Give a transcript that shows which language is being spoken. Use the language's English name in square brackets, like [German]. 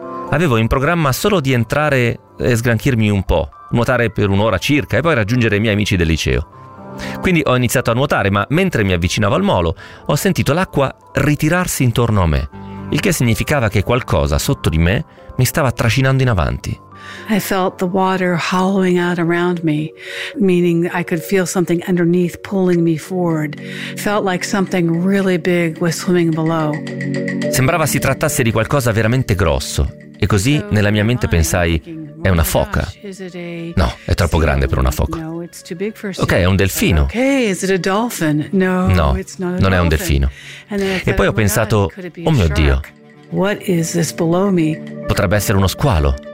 [Italian] Avevo in programma solo di entrare e sgranchirmi un po', nuotare per un'ora circa e poi raggiungere i miei amici del liceo. Quindi ho iniziato a nuotare, ma mentre mi avvicinavo al molo, ho sentito l'acqua ritirarsi intorno a me, il che significava che qualcosa sotto di me mi stava trascinando in avanti. [English] I felt the water hollowing out around me, meaning I could feel something underneath pulling me forward. Felt like something really big was swimming below. [Italian] Sembrava si trattasse di qualcosa veramente grosso, E così nella mia mente pensai: è una foca. No, è troppo grande per una foca. Ok, è un delfino. No, non è un delfino. E poi ho pensato: oh mio Dio, potrebbe essere uno squalo.